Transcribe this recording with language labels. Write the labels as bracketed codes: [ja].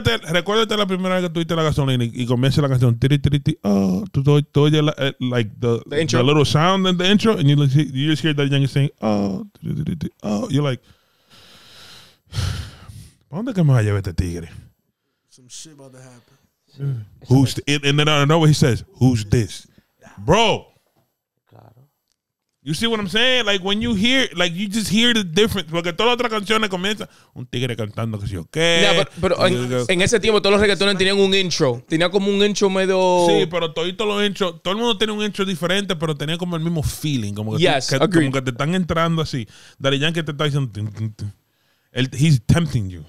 [es] Recuérdate la primera vez que tuviste la gasolina y comienza la canción. [en] Tiri, tiri, tiri, oh, [es] tú oyes [en] like the little sound in the intro, and you just hear that young saying, oh, tiri, tiri, tiri, oh. You're like, [es] ¿para dónde que me va a llevar este tigre? [en] Some shit about to happen. [es] Sí. [en] Who's the, and then I don't know what he says. Who's this, bro? [es] Claro. [en] You see what I'm saying? Like, when you hear, like, you just hear the difference. [es] Porque todas las otras canciones comienzan un tigre cantando, que sé yo qué. Pero en ese tiempo todos los reggaetones tenían un intro. Tenía como un intro medio... Sí, pero todos los intros, todo el mundo tenía un intro diferente, pero tenía como el mismo feeling. Como que, [en] yes, [es] tú, que, como que te están entrando así. Daddy Yankee te está diciendo... Tin, tin, tin. El, [en] he's tempting you.